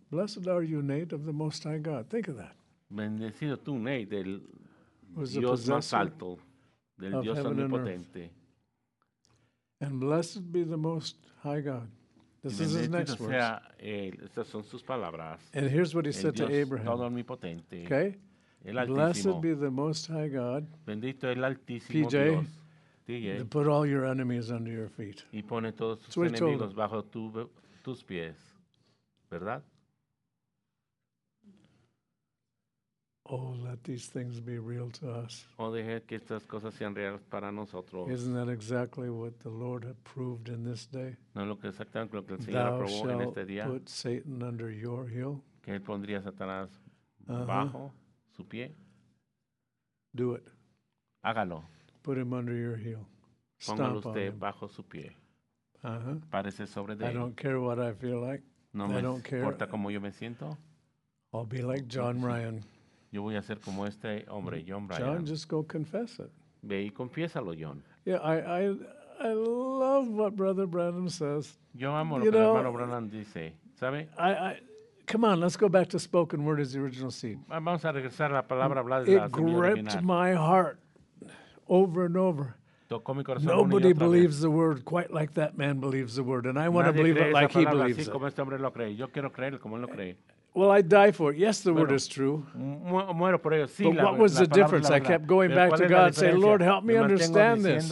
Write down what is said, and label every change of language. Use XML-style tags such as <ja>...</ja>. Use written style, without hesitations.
<en>Blessed are you, Nate, of the Most High God. Think of that.</en> <es>Bendecido tú, Nate, del Dios más alto, del Dios omnipotente.</es> <en>And blessed be the Most High God. This is his next words.</en> <es>Estas son sus palabras.</es> <en>And here's what he said</en> <es>Dios</es> <en>to Abraham.</en> <es>Todo omnipotente.</es> <en>Okay.</en> <es>El Altísimo.</es> <en>Blessed be the Most High God.</en> <es>Bendito el Altísimo PJ, Dios.</es> <en>To put all your enemies under your feet.</en> <es>Y pone todos tus enemigos bajo tus pies. ¿Verdad?</es> <en>Oh, let these things be real to us.</en> <es>Oh, deje que estas cosas sean reales para nosotros.</es> <en>Isn't that exactly what the Lord had proved in this day?</en> <es>No, lo que exactamente lo que el Señor aprobó en este día.</es> <en>Thou shalt put Satan under your heel.</en> <es>Que él pondría a Satanás bajo su pie.</es> <en>Do it.</en> <es>Hágalo.</es> <en>Put him under your heel.</en> <es>Póngalo usted bajo su pie. Párese sobre de él.</es> <en>I don't care what I feel like.</en> <es>No me importa cómo yo me siento.</es> <en>I'll be like John Ryan.</en> <es>Yo voy a ser como este hombre, John Bryan.</es> <en>John, just go confess it.</en> <es>Ve y confiésalo, John.</es> <en>Yeah, I love what Brother Branham says.</en> <es>Yo amo lo que el hermano Branham dice, ¿sabe?</es> <en>Come on, let's go back to spoken word as the original seed.</en> <es>Vamos a regresar a la palabra hablada de la semilla original.</es> <en>It gripped my heart over and over.</en> <es>Tocó mi corazón.</es> <en>Nobody believes the word quite like that man believes the word, and I want to believe it like he believes it.</en> <es>Así como este hombre lo cree. Yo quiero creerlo como él lo cree.</es> <en>Well, I die for it. Yes, the word is true.</en> <es>Muero por ello. Sí,</es> <en>but what was the difference? I kept going</en> <es>Pero</es> <en>back to God and saying, Lord, help me understand this.</en>